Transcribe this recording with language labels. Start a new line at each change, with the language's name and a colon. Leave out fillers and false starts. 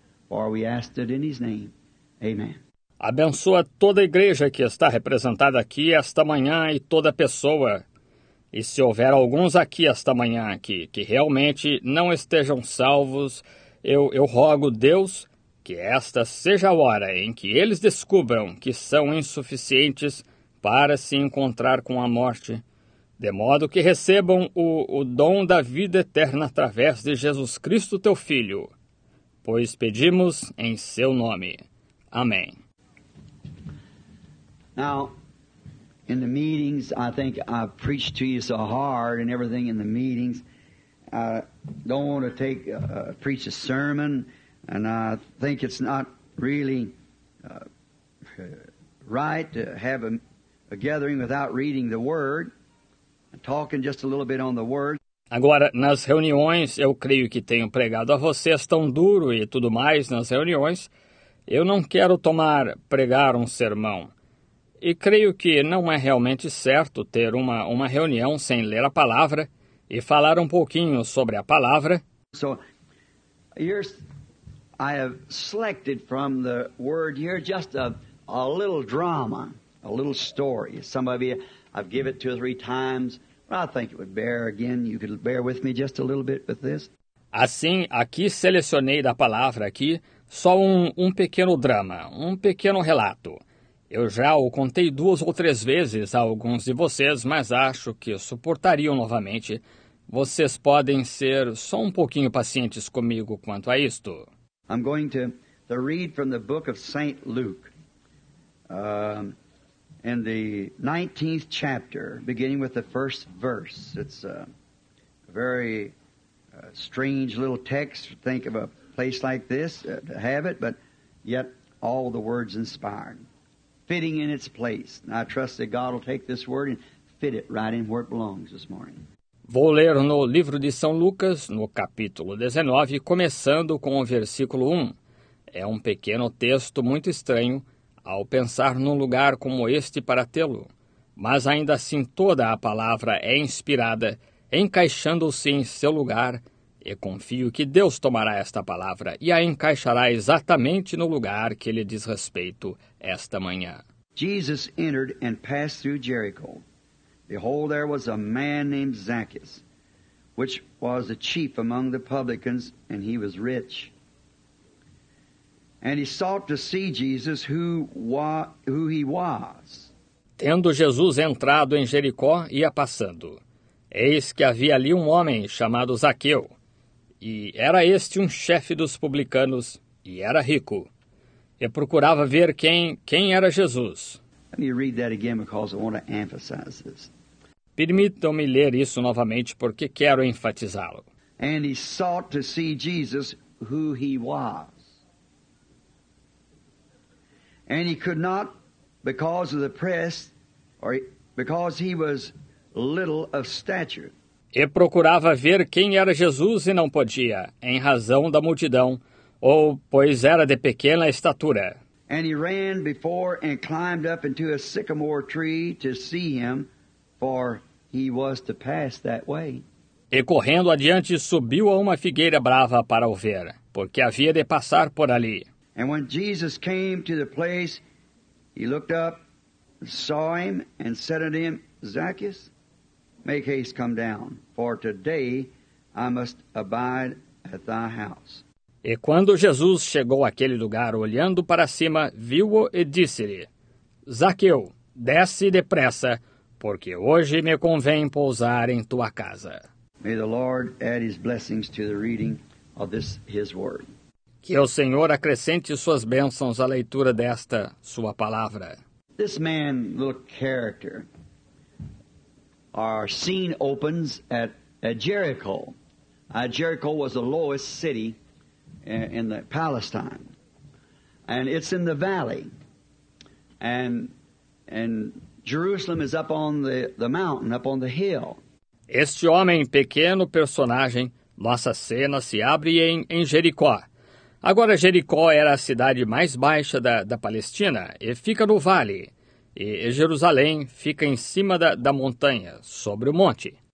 English: For we ask it in his name. Amen.
Portuguese: Abençoa toda a igreja que está representada aqui esta manhã e toda pessoa. E se houver alguns aqui esta manhã que realmente não estejam salvos, eu rogo, Deus, que esta seja a hora em que eles descubram que são insuficientes para se encontrar com a morte, de modo que recebam o dom da vida eterna através de Jesus Cristo, teu Filho. Pois pedimos em seu nome. Amém.
English: Now, in the meetings, I think I've preached to you so hard and everything in the meetings. I don't want to preach a sermon, and I think it's not really right to have a gathering without reading the Word, talking just a little bit on the Word.
Portuguese: Agora, nas reuniões, eu creio que tenho pregado a vocês tão duro e tudo mais nas reuniões. Eu não quero pregar um sermão. E creio que não é realmente certo ter uma reunião sem ler a palavra e falar um pouquinho sobre a palavra.
English: So, I have selected from the word here just a little drama, a little story. Some of you, I've given it two or three times. I think it would bear again. You could bear with me just a little bit with this.
Portuguese: Assim, aqui selecionei da palavra aqui só um pequeno drama, um pequeno relato. Eu já o contei duas ou três vezes a alguns de vocês, mas acho que suportariam novamente. Vocês podem ser só um pouquinho pacientes comigo quanto a isto.
English: I'm going to read from the book of St. Luke, in the 19th chapter, beginning with the first verse. It's a very strange little text to think of a place like this, to have it, but yet all the words inspired, fitting in its place. And I trust that God will take this word and fit it right in where it belongs this morning.
Portuguese: Vou ler no livro de São Lucas, no capítulo 19, começando com o versículo 1. É um pequeno texto muito estranho ao pensar num lugar como este para tê-lo. Mas ainda assim toda a palavra é inspirada, encaixando-se em seu lugar. E confio que Deus tomará esta palavra e a encaixará exatamente no lugar que lhe diz respeito esta manhã.
English: Jesus entered and passed through Jericho. Behold, there was a man named Zacchaeus, which was the chief among the publicans, and he was rich. And he sought to see Jesus, who he was.
Portuguese: Tendo Jesus entrado em Jericó, ia passando. Eis que havia ali um homem chamado Zaqueu, e era este um chefe dos publicanos, e era rico. E procurava ver quem era Jesus.
English: Let me read that again because I want to emphasize this.
Portuguese: Permitam-me ler isso novamente, porque quero enfatizá-lo.
English: And he sought to see Jesus, who he was. And he could not, because of the press, or because he was little of stature.
Portuguese: E procurava ver quem era Jesus e não podia, em razão da multidão, ou pois era de pequena estatura.
English: And he ran before and climbed up into a sycamore tree to see him, for he was to pass that way.
Portuguese: E correndo adiante, subiu a uma figueira brava para o ver, porque havia de passar por ali.
English: And when Jesus came to the place, he looked up, saw him, and said unto him, Zacchaeus, make haste, come down, for today I must abide at thy house.
Portuguese: E quando Jesus chegou àquele lugar, olhando para cima, viu-o e disse-lhe, Zaqueu, desce depressa, porque hoje me convém pousar em tua casa.
English: May the Lord add his blessings to the reading of this his word.
Portuguese: Que o Senhor acrescente suas bênçãos à leitura desta sua palavra.
English: This man, little character, our scene opens at Jericho. Jericho was the lowest city in the Palestine. And it's in the valley. And Jerusalem is up on the mountain, up on the hill.
Portuguese: Este homem, pequeno personagem, nossa cena se abre em Jericó. Agora, Jericó era a cidade mais baixa da Palestina e fica no vale. E Jerusalém fica em cima da montanha, sobre o monte.